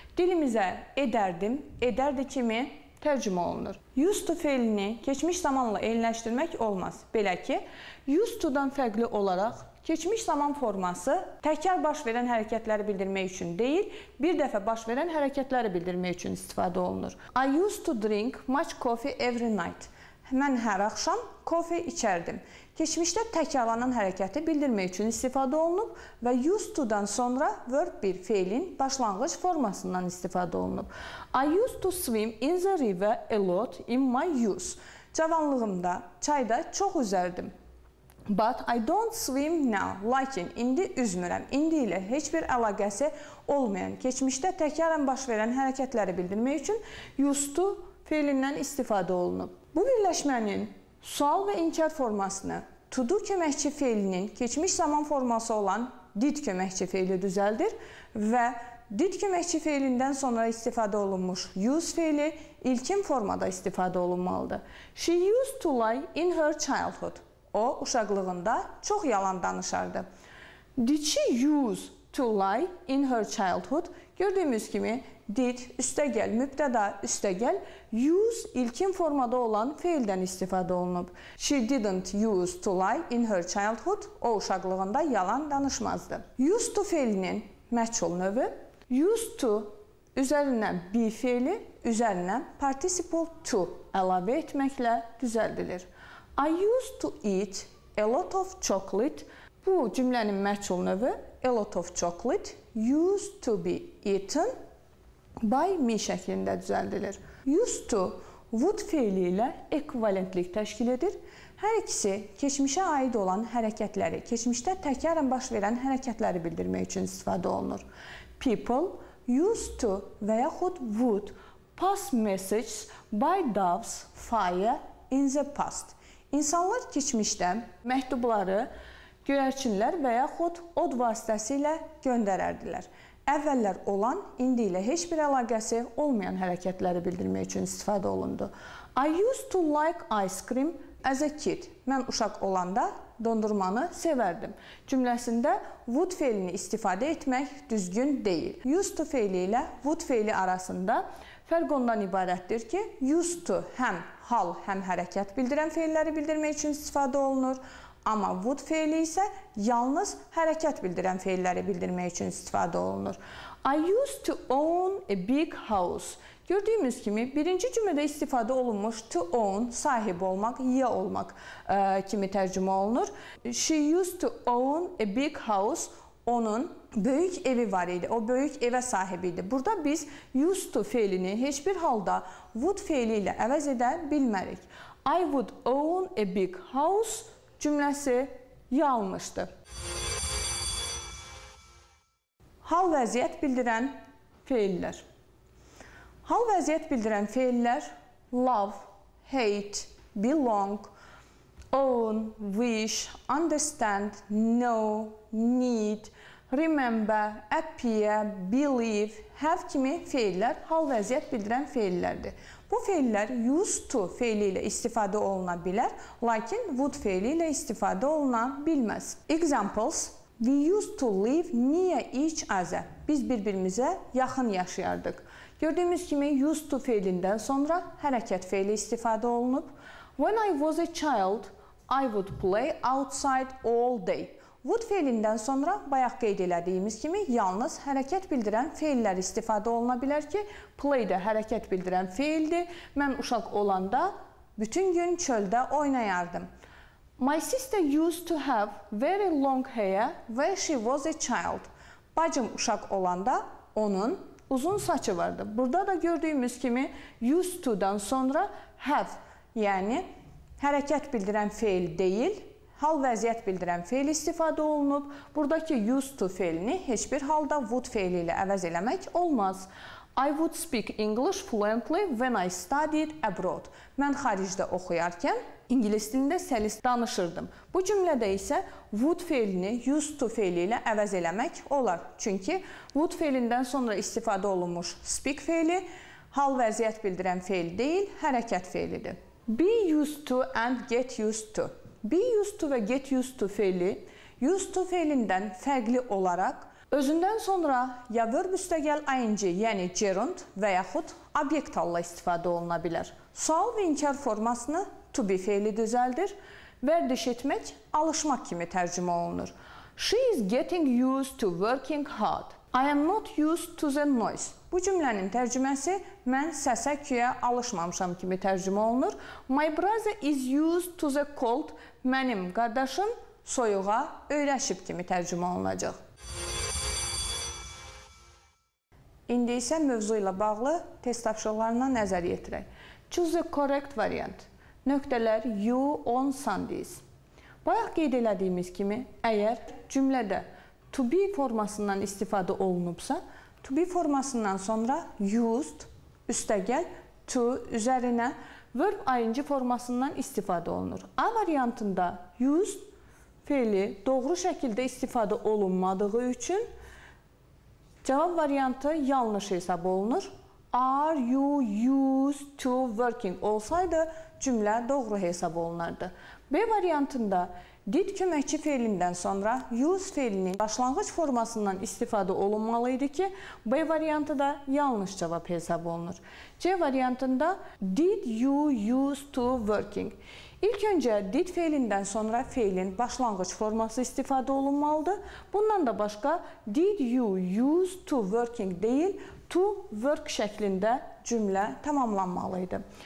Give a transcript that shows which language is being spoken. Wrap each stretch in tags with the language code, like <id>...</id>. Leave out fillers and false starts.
<az>Dilimizə edərdim, edərdi kimi tərcümə olunur. Used to feilini keçmiş zamanla eyniləşdirmək olmaz. Belə ki, used to-dan fərqli olaraq, keçmiş zaman forması təkrar baş verən hərəkətləri bildirmək üçün deyil, bir dəfə baş verən hərəkətləri bildirmək üçün istifadə olunur.</az> <en>I used to drink much coffee every night.</en> <az>Mən hər axşam kofe içərdim. Keçmişdə təkrarlanan hərəkəti bildirmək üçün istifadə olunub və used to-dan sonra verb 1 feilin başlanğıc formasından istifadə olunub.</az> <en>I used to swim in the river a lot in my youth.</en> <az>Cavanlığımda çayda çox üzərdim.</az> <en>But I don't swim now.</en> <az>Lakin indi üzmürəm. İndi ilə heç bir əlaqəsi olmayan, keçmişdə təkrarən baş verən hərəkətləri bildirmək üçün used to feilindən istifadə olunub. Bu birləşmənin sual və inkar formasını to do köməkçi feilinin keçmiş zaman forması olan did köməkçi feili düzəldir və did köməkçi feilindən sonra istifadə olunmuş use feili ilkin formada istifadə olunmalıdır.</az> <en>She used to lie in her childhood.</en> <az>O, uşaqlığında çox yalan danışardı.</az> <en>Did she use to lie in her childhood?</en> <az>Gördüyümüz kimi, did, üstəgəl, mübtəda, üstəgəl, use ilkin formada olan feildən istifadə olunub.</az> <en>She didn't use to lie in her childhood.</en> <az>O, uşaqlığında yalan danışmazdı. Used to feilinin məçul növü. Used to üzərinə be feili, üzərinə participle to əlavə etməklə düzəldilir.</az> <en>I used to eat a lot of chocolate.</en> <az>Bu cümlənin məçul növü</az> <en>a lot of chocolate used to be eaten by me</en> <az>şəklində düzəldilir. Used to would feili ilə ekvivalentlik təşkil edir. Hər ikisi keçmişə aid olan hərəkətləri, keçmişdə təkrarən baş verən hərəkətləri bildirmək üçün istifadə olunur.</az> <en>People used to</en> <az>və yaxud</az> <en>would pass messages by doves fire in the past.</en> <az>İnsanlar keçmişdə məktubları göyərçinlər və yaxud od vasitəsilə göndərərdilər. Əvvəllər olan, indi ilə heç bir əlaqəsi olmayan hərəkətləri bildirmək üçün istifadə olundu.</az> <en>I used to like ice cream as a kid.</en> <az>Mən uşaq olanda dondurmanı sevərdim. Cümləsində would feilini istifadə etmək düzgün deyil. Used to feili ilə would feili arasında fərq ondan ibarətdir ki, used to həm hal, həm hərəkət bildirən feilləri bildirmək üçün istifadə olunur. Amma would feili isə yalnız hərəkət bildirən feilləri bildirmək üçün istifadə olunur.</az> <en>I used to own a big house.</en> <az>Gördüyümüz kimi, birinci cümlədə istifadə olunmuş to own, sahib olmaq, ya olmaq kimi tərcümə olunur.</az> <en>She used to own a big house.</en> <az>Onun böyük evi var idi, o böyük evə sahib idi. Burada biz used to feilini heç bir halda would feili ilə əvəz edə bilmərik.</az> <en>I would own a big house</en> <az>cümləsi yalmışdı. Hal vəziyyət bildirən feillər. Hal vəziyyət bildirən feillər love, hate, belong, own, wish, understand, know, need, remember, appear, believe, have kimi fiiller hal vəziyyət bildirən fiillərdir. Bu fiiller used to fiili ilə istifadə oluna bilər, lakin would fiili ilə istifadə oluna bilməz.</az> <en>Examples: We used to live near each other.</en> <az>Biz bir-birimizə yaxın yaşayardıq. Gördüyümüz kimi used to fiilindən sonra hərəkət fiili istifadə olunub.</az> <en>When I was a child, I would play outside all day.</en> <az>Would fiilindən sonra bayaq qeyd elədiyimiz kimi yalnız hərəkət bildirən fiillər istifadə oluna bilər ki, play də hərəkət bildirən fiildir. Mən uşaq olanda bütün gün çöldə oynayardım.</az> <en>My sister used to have very long hair when she was a child.</en> <az>Bacım uşaq olanda onun uzun saçı vardı. Burada da gördüyümüz kimi used to-dan sonra have, yəni hərəkət bildirən fiil deyil, hal vəziyyət bildirən fiil istifadə olunub. Buradakı used to fiilini heç bir halda would fiili ilə əvəz eləmək olmaz.</az> <en>I would speak English fluently when I studied abroad.</en> <az>Mən xaricdə oxuyarkən ingilis dilində səlis danışırdım. Bu cümlədə isə would fiilini used to fiili ilə əvəz eləmək olar. Çünki would fiilindən sonra istifadə olunmuş speak fiili hal vəziyyət bildirən fiil deyil, hərəkət fiilidir.</az> <en>Be used to and get used to.</en> <az>Be used to və get used to fiili used to fiilindən fərqli olaraq özündən sonra ya verb müstəqəl ing, yəni gerund və yaxud obyekt halla istifadə oluna bilər. Sual və inkar formasını to be fiili düzəldir. Vərdiş etmək, alışmaq kimi tərcümə olunur.</az> <en>She is getting used to working hard. I am not used to the noise.</en> <az>Bu cümlənin tərcüməsi mən səsə küyə alışmamışam kimi tərcümə olunur.</az> <en>My brother is used to the cold.</en> <az>Mənim qardaşım soyuğa öyrəşib kimi tərcümə olunacaq. İndi isə mövzu ilə bağlı test tapşırıqlarına nəzər yetirək.</az> <en>Choose the correct variant. Nöqtələr you on Sundays.</en> <az>Bayaq qeyd elədiyimiz kimi, əgər cümlədə to be formasından istifadə olunubsa, to be formasından sonra used, üstəgəl, to, üzərinə, verb ing formasından istifadə olunur. A variantında used fiili doğru şəkildə istifadə olunmadığı üçün cavab variantı yanlış hesab olunur.</az> <en>Are you used to working?</en> <az>Olsaydı cümlə doğru hesab olunardı. B variantında did köməkçi fiilindən sonra used fiilinin başlanğıc formasından istifadə olunmalı idi ki, B variantı da yanlış cavab hesab olunur. C variantında</az> <en>did you used to working?</en> <az>İlk öncə did fiilindən sonra fiilin başlanğıc forması istifadə olunmalıdır. Bundan da başqa</az> <en>did you used to working</en> <az>deyil, to work şəklində cümlə tamamlanmalı idi.</az>